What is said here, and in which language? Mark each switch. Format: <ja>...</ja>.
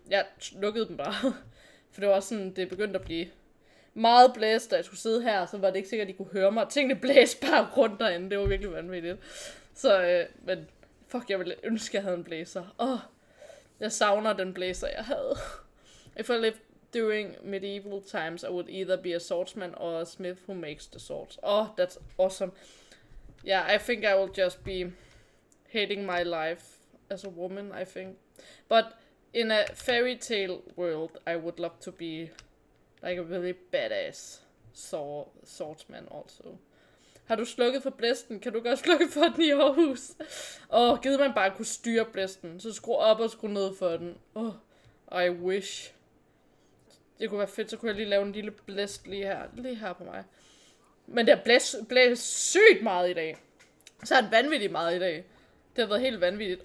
<da>Ja, slukkede den bare. For det var også sådan, det begyndte at blive meget blæst, da jeg skulle sidde her, så var det ikke sikkert, at de kunne høre mig. Tingene blæste bare rundt derinde, det var virkelig vanvittigt. Så, men fuck, jeg ville ønske, jeg havde en blazer. Oh. Jeg savner den blazer, jeg havde.</da> <en>If I lived during medieval times, I would either be a swordsman or a smith who makes the swords. Oh, that's awesome. Yeah, I think I will just be hating my life as a woman, I think. But in a fairy tale world, I would love to be like a really badass swordsman also.</en> <da>Har du slukket for blæsten? Kan du godt slukke for den i Aarhus? Åh, gider man bare kunne styre blæsten. Så skru op og skru ned for den. Åh,</da> <en>I wish.</en> <da>Det kunne være fedt, så kunne jeg lige lave en lille blæst lige her. Lige her på mig. Men det har blæst sygt meget i dag. Så er det vanvittigt meget i dag. Det har været helt vanvittigt.</da>